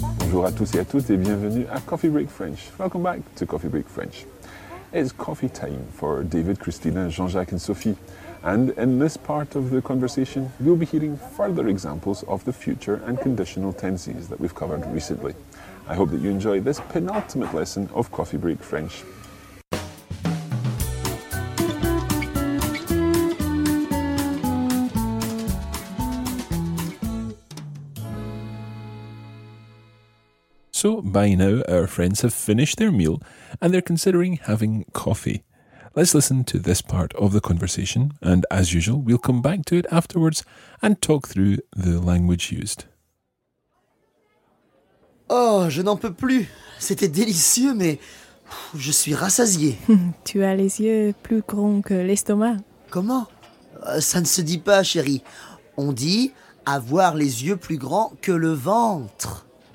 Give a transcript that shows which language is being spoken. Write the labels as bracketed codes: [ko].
[fr] Bonjour à tous et à toutes et bienvenue à Coffee Break French. [en] Welcome back to Coffee Break French. It's coffee time for David, Christina, Jean-Jacques and Sophie. And in this part of the conversation, we'll be hearing further examples of the future and conditional tenses that we've covered recently. I hope that you enjoy this penultimate lesson of Coffee Break French. So by now, our friends have finished their meal and they're considering having coffee. Let's listen to this part of the conversation, and as usual, we'll come back to it afterwards and talk through the language used. [fr] Oh, je n'en peux plus. C'était délicieux, mais je suis rassasié. Tu as les yeux plus grands que l'estomac. Comment ? Ça ne se dit pas, chérie. On dit avoir les yeux plus grands que le ventre.